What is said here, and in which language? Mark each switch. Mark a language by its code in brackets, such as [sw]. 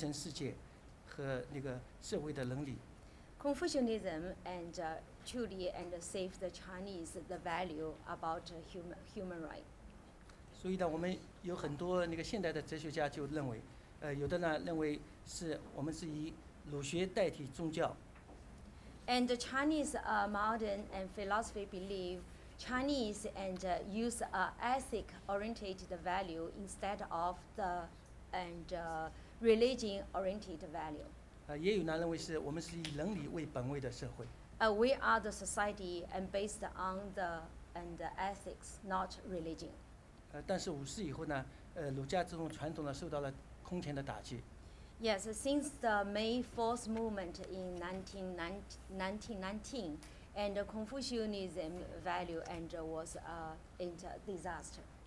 [zh] 我们可以说是儒家伦理成就了中国人的那个精神世界和那个社会的伦理。 [en] Confucianism and truly and save the Chinese the value about human right. [zh] 所以呢，我们有很多那个现代的哲学家就认为，有的呢认为是我们是以儒学代替宗教。 [en] And the Chinese modern and philosophy believe Chinese and use a ethic oriented value instead of the and religion oriented value. [zh] 也有呢认为是我们是以伦理为本位的社会。 [en] We are the society and based on the and the ethics, not religion. [zh] 但是五四以后呢，儒家这种传统呢受到了空前的打击。 [en] Yes, since the May 4th movement in 1919, and Confucianism value and was in disaster.